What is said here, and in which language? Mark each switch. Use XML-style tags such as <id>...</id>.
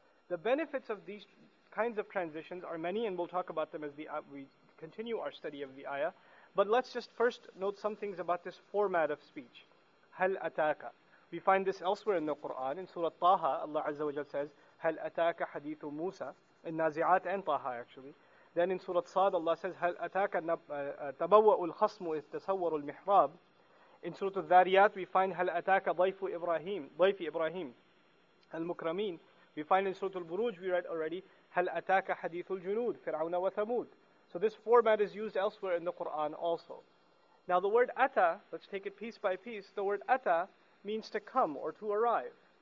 <en>The benefits of these kinds of transitions are many, and we'll talk about them as we continue our study of the ayah. But let's just first note some things about this format of speech.</en> <ar>هَلْ أَتَاكَ.</ar> <en>We find this elsewhere in the Qur'an. In Surah Taha, Allah Azza wa Jal says,</en> <ar>هَلْ أَتَاكَ حَدِيثُ مُوسَى.</ar> <en>In Nazi'at and Taha actually. Then in Surah Sad, Allah says,</en> <ar>هَلْ أَتَاكَ تَبَوَّأُ الْخَصْمُ إِذْ تَسَوَّرُ الْمِحْرَابُ.</ar> <en>In Surah Al-Dhariyat, we find,</en> <ar>هَلْ أَتَاكَ ضَيْفُ إِبْرَاهِيمُ. ضَيْفِ إِبْرَاهِيمُ. المكرمين.</ar> <en>We find in Surah Al-Buruj, we read already,</en> <ar>هَلْ أَتَاكَ حَدِيثُ الْجُنُودِ فِرْعَوْنَ وَثَمُودُ.</ar> <en>So this format is used elsewhere in the Qur'an also. Now the word ata, let's take it piece by piece, the word ata means to come or to arrive.</en>